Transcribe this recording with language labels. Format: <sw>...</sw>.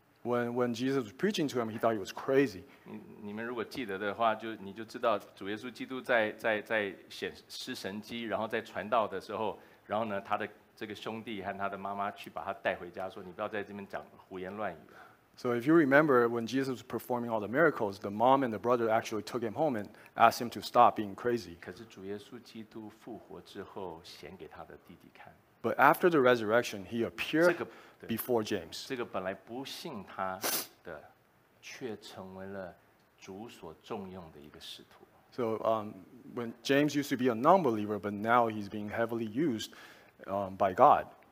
<en>When Jesus was preaching to him, he thought he was crazy.</en> <zh>你们如果记得的话，就你就知道主耶稣基督在显施神迹，然后在传道的时候，然后呢，他的这个兄弟和他的妈妈去把他带回家，说你不要在这边讲胡言乱语。So</zh> <en>if you remember, when Jesus was performing all the miracles, the mom and the brother actually took him home and asked him to stop being crazy.</en> <zh>可是主耶稣基督复活之后，显给他的弟弟看。</zh> <en>But after the resurrection, he appeared before James.</en> <zh>这个本来不信他的，却成为了主所重用的一个使徒。</zh> <en>So when James used to be a non-believer, but now he's being heavily used by God.</en>